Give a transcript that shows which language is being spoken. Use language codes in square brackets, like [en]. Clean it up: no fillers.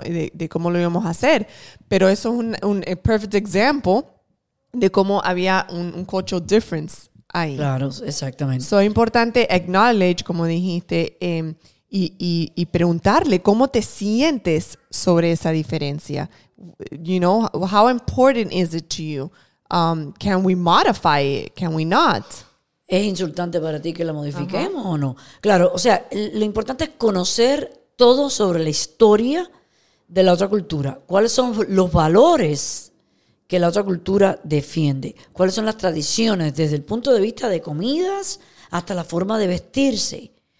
[es] De cómo lo íbamos a hacer. Pero eso es un [en] perfect example [es] de cómo había un [en] cultural difference [es] ahí. Claro, exactamente. So, es importante acknowledge, como dijiste, y preguntarle cómo te sientes sobre esa diferencia. [en] You know, how important is it to you? Can we modify it? Can we not? [es] ¿Es insultante para ti que la modifiquemos uh-huh. o no? Claro, o sea, lo importante es conocer todo sobre la historia de la otra cultura. ¿Cuáles son los valores que la otra cultura defiende? ¿Cuáles son las tradiciones desde el punto de vista de comidas hasta la forma de vestirse?